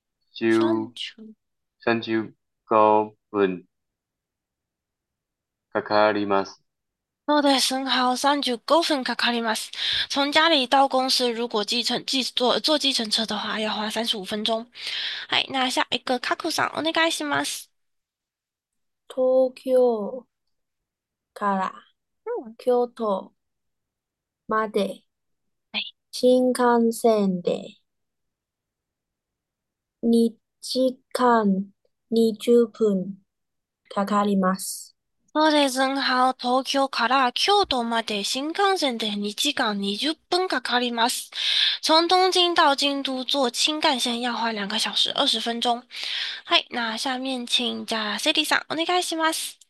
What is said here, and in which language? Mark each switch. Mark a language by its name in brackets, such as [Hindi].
[Japanese] 双九。球，三九五分かかります。そうですね。好，39分かかります。 [Chinese] 从家里到公司，如果坐计程车的话，要花35分钟。 [Japanese] はい、 [Chinese] 那下一个カクさん [Japanese] お願いします。東京から京都まで、新幹線で、2時間20分かかります。そうですね。好、東京から京都まで新幹線で2時間20分かかります。 [Chinese] 从东京到京都坐新干线要花2小时20分钟。はい、那下面请加 CD さん [Japanese] お願いします。